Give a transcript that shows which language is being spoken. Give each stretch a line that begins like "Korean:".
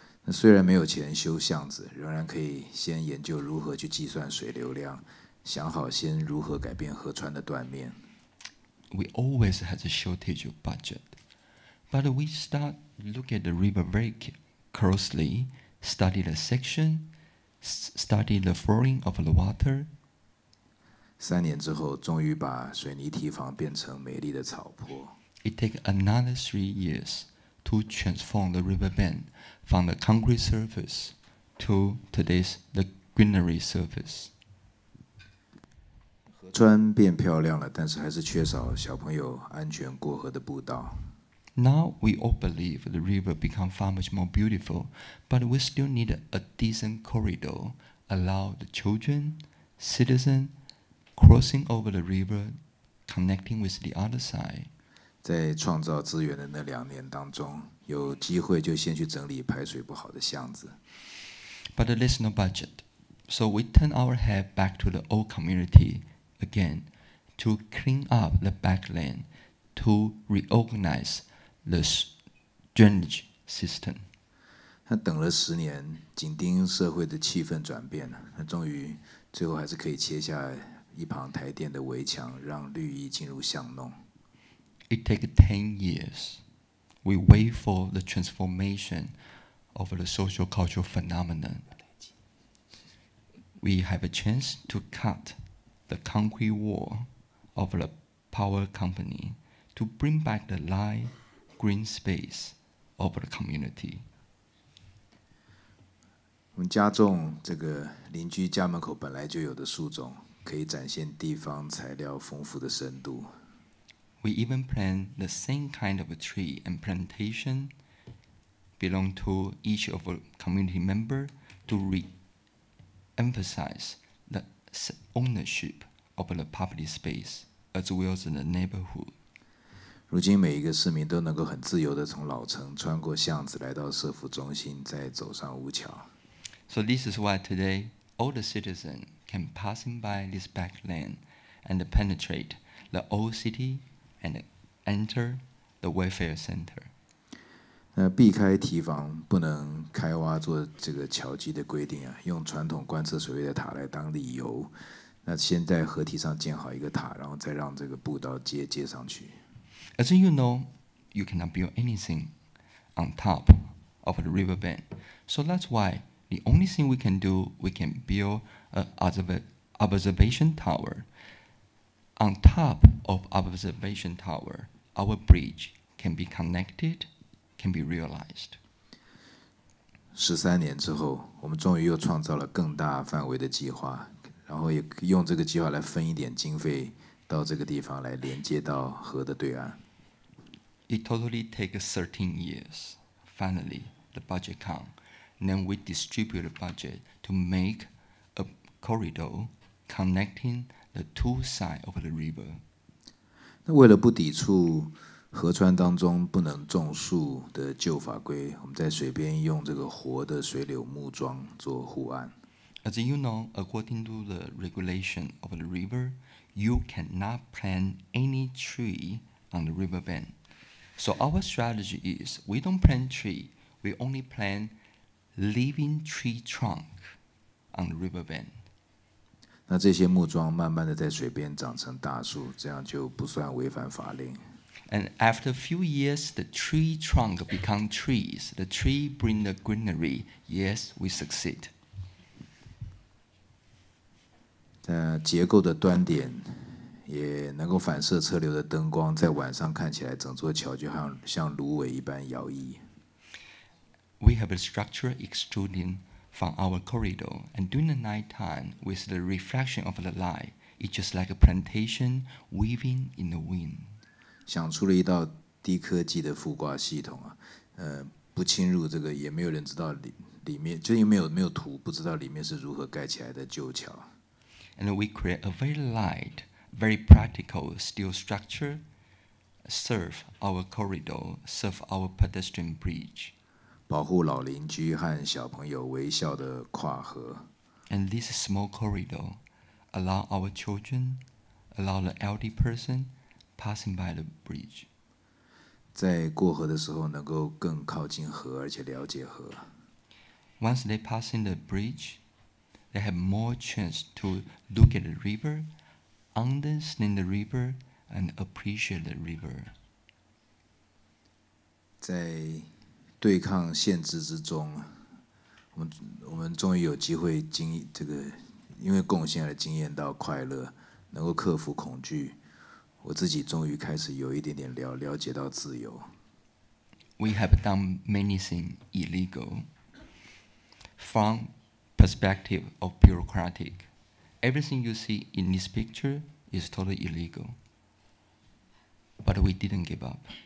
Chinese: 虽然没有钱修巷子，仍然可以先研究如何去计算水流量，想好先如何改变河川的断面。
English: We always had a shortage of budget, but we start look at the river very closely, study the section, study the flowing of the water.
Chinese: 3年之后，终于把水泥堤防变成美丽的草坡。
English: It take another 3 years.To transform the riverbend from the concrete surface to today's the greenery surface.
Chinese: 砖变漂亮了，但是还是缺少小朋友安全过河的步道。
English: Now we all believe the river become far much more beautiful, but we still need a decent corridor allow the children, citizens, crossing over the river, connecting with the other side.
Chinese: 在创造资源的那两年当中，有机会就先去整理排水不好的巷子。
English: But there's no budget, so we turn our head back to the old community again to clean up the backland, to reorganize. The drainage system.
Chinese: 他等了十年，紧盯社会的气氛转变，他终于最后还是可以切下一旁台电的围墙，让绿意进入巷弄。
English: It takes 10 years. We wait for the transformation of the social cultural phenomenon. We have a chance to cut the concrete wall of the power company to bring back the light. Green space of the community.
Chinese: 我们加重这个邻居家门口本来就有的树种，可以展现地方材料丰富的深度。
English: We even plant the same kind of a tree and plantation belong to each of a community member to re-emphasize the ownership of the public space as well as the neighborhood.
Chinese: 如今每一个市民都能够很自由地从老城穿过巷子来到社福中心再走上屋桥。
English: So this is why today all the citizens can pass by this back lane and penetrate the old city and enter the welfare center.
Chinese: 那避开堤防不能开挖做这个桥基的规定啊，用传统观测水位的塔来当理由，那先在河堤上建好一个塔，然后再让这个步道街接上去。
English: As you know, you cannot build anything on top of the riverbank. So that's why the only thing we can do, we can build an observation tower. On top of observation tower, our bridge can be connected, can be realized.
Chinese: 13年之后，我们终于又创造了更大范围的计划，然后也用这个计划来分一点经费到这个地方来连接到河的对岸。
English: It totally takes 13 years. Finally, the budget comes. Then we distribute the budget to make a corridor connecting the two sides of the river.
Chinese: 那为了不抵触河川当中不能种树的旧法规，我们在水边用这个活的水柳木桩做护岸。
English: As you know, according to the regulation of the river, you cannot plant any tree on the riverbank. So our strategy is we don't plant tree, we only plant living tree trunk on the riverbank.
Chinese: 那这些木桩慢慢的在水边长成大树，这样就不算违反法令。
English: And after a few years, the tree trunk become trees. The tree bring the greenery. Yes, we succeed.
Chinese: 结构的端点。也能够反射车流的灯光，在晚上看起来，整座桥就像芦苇一般摇曳。
English: We have a structure extruding from our corridor, and during the night time, with the reflection of the light, it's just like a plantation weaving in the wind.
Chinese: 想出了一道低科技的覆挂系统啊，不侵入这个，也没有人知道里面，就因为没有图，不知道里面是如何盖起来的旧桥。
English: And we create a very light. Very practical steel structure serve our corridor, serve our pedestrian bridge.
Chinese: 保护老邻居和小朋友微笑的跨河。
English: And this small corridor allow our children, allow the elderly person passing by the bridge.
Chinese: 在过河的时候能够更靠近河，而且了解河。
English: Once they pass in the bridge, they have more chance to look at the river. Understand the river and appreciate the river.
Chinese: 在对抗限制之中，我们终于有机会经这个，因为贡献而经验到快乐，能够克服恐惧。我自己终于开始有一点点了解到自由。
English: We have done many things illegal. from perspective of bureaucratic. Everything you see in this picture is totally illegal. But we didn't give up.